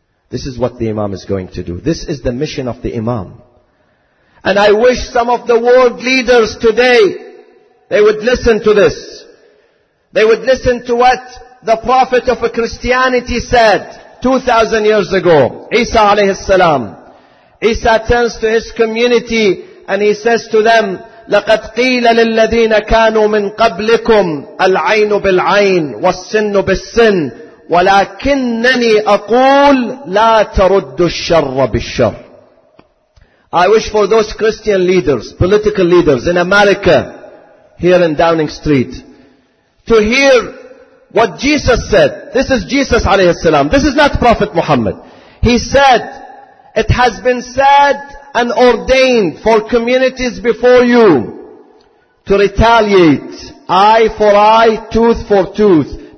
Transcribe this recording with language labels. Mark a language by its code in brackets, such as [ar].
[en] This is what the Imam is going to do. This is the mission of the Imam. And I wish some of the world leaders today, they would listen to this. They would listen to what the Prophet of Christianity said 2,000 years ago, Isa alayhi salam. Isa turns to his community and he says to them, [ar] لَقَدْ قِيلَ لِلَّذِينَ كَانُوا مِنْ قَبْلِكُمْ الْعَيْنُ بِالْعَيْنِ وَالسِّنُّ بِالسِّنِّ وَلَكِنَّنِي أَقُولُ لَا تَرُدُّ الشَّرَّ بِالشَّرِّ. [en] I wish for those Christian leaders, political leaders in America, here in Downing Street, to hear what Jesus said. This is Jesus عليه السلام. This is not Prophet Muhammad. He said, it has been said and ordained for communities before you to retaliate eye for eye, tooth for tooth.